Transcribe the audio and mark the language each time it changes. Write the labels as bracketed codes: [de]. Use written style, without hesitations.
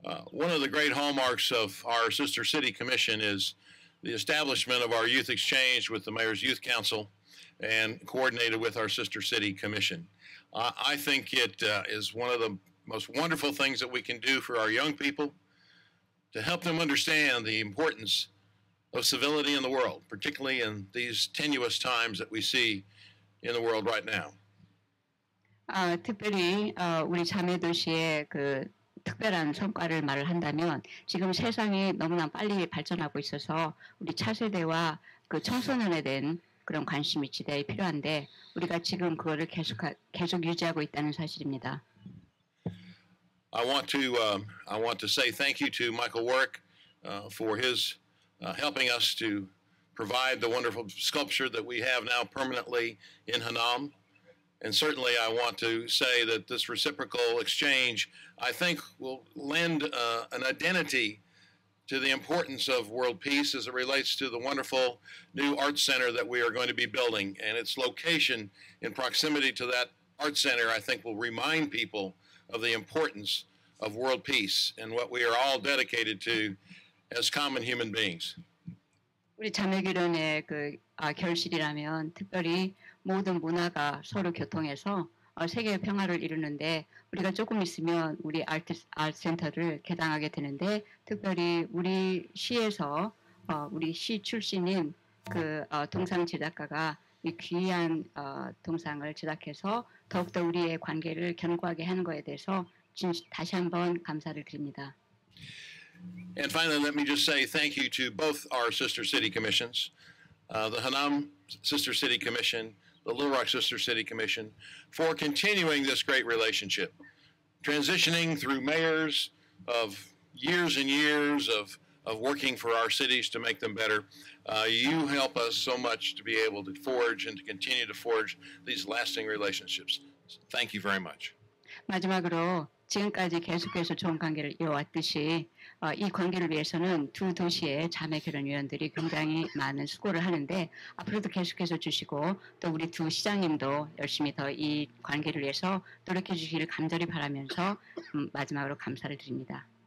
[en] One of the great hallmarks of our Sister City Commission is the establishment of our youth exchange with the Mayor's Youth Council and coordinated with our Sister City Commission. I think it is one of the most wonderful things that we can do for our young people to help them understand the importance of civility in the world, particularly in these tenuous times that we see in the world right now. [ko] 특별히 우리 자매 도시의 그 특별한 성과를 말을 한다면 지금 세상이 너무나 빨리 발전하고 있어서 우리 차세대와 그 청소년에 대한 그런 관심이 지대히 필요한데 우리가 지금 그거를 계속 유지하고 있다는 사실입니다. [en] I want to say thank you to Michael Work for his helping us to provide the wonderful sculpture that we have now permanently in Hanam. And certainly I want to say that this reciprocal exchange, I think, will lend an identity to the importance of world peace as it relates to the wonderful new art center that we are going to be building. And its location in proximity to that art center, I think, will remind people of the importance of world peace and what we are all dedicated to as common human beings. [ko] 우리 자매교련의 그 결실이라면 특별히 모든 문화가 서로 교통해서 세계 평화를 이루는데 우리가 조금 있으면 우리 아트 센터를 개장하게 되는데 특별히 우리 시에서 우리 시 출신인 그 동상 제작가가 이 귀한 동상을 제작해서 더욱더 우리의 관계를 견고하게 하는 거에 대해서 다시 한번 감사를 드립니다. [en] And finally, let me just say thank you to both our sister city commissions, the Hanam Sister City Commission, the Little Rock Sister City Commission, for continuing this great relationship, transitioning through mayors of years and years of working for our cities to make them better. You help us so much to be able to forge and to continue to forge these lasting relationships. Thank you very much. [ko] 마지막으로 지금까지 계속해서 좋은 관계를 이어왔듯이 이 관계를 위해서는 두 도시의 자매 결연위원들이 굉장히 많은 수고를 하는데 앞으로도 계속해서 주시고 또 우리 두 시장님도 열심히 더 이 관계를 위해서 노력해 주시기를 간절히 바라면서 마지막으로 감사를 드립니다.